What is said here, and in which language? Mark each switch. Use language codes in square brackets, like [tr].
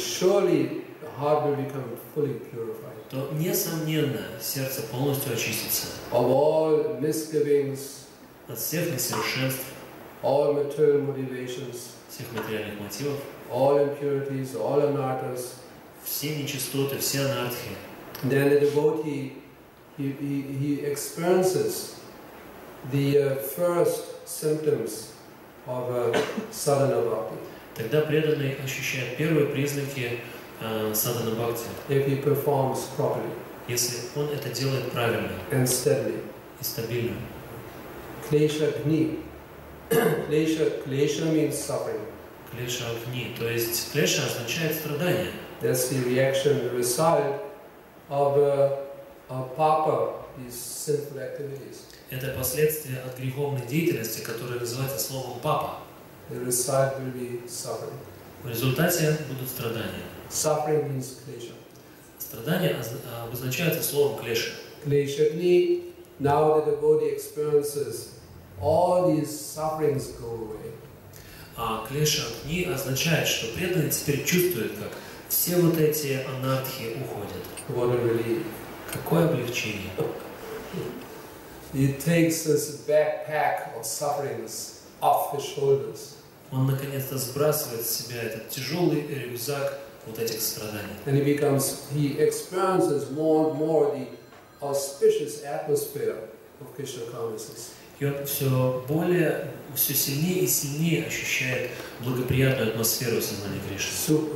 [en] Surely the heart will become fully purified. [ru] То несомненно сердце полностью очистится. [en] Of all misgivings. [ru] От всех несовершенств. [en] All material motivations. [ru] Всех материальных мотивов. [en] All impurities, all anarthas. [ru] Все нечистоты, все анартхи. [en] Then the devotee he experiences the first symptoms of sadhana bhakti. [ru] Тогда преданный ощущает первые признаки sadhana bhakti. [en] If he performs properly. [ru] Если он это делает правильно. [en] And steadily. [ru] И стабильно. [en] Клеша гни. Клеша means suffering. [sa] Клеша гни. [ru] То есть клеша означает страдание. [en] That's the reaction, the result of papa, these sinful activities. [ru] Это последствия от греховной деятельности, которая называется словом «папа». [en] The result will be suffering. [ru] В результате будут страдания. [en] Suffering means клеша. [ru] Страдания обозначаются словом «клеша». [sa] Клеша гни. [en] Now that the body experiences, all these sufferings go away. [ru] А клеша гни означает, что преданный теперь чувствует, как все вот эти анартхи уходят. [en] What a relief. [ru] Какое облегчение. [en] It takes this backpack of sufferings off his shoulders. [ru] Он наконец-то сбрасывает с себя этот тяжелый рюкзак вот этих страданий. [en] And he experiences more and more the auspicious atmosphere of Krishna consciousness. [ru] И он все сильнее и сильнее ощущает благоприятную атмосферу сознания Кришны.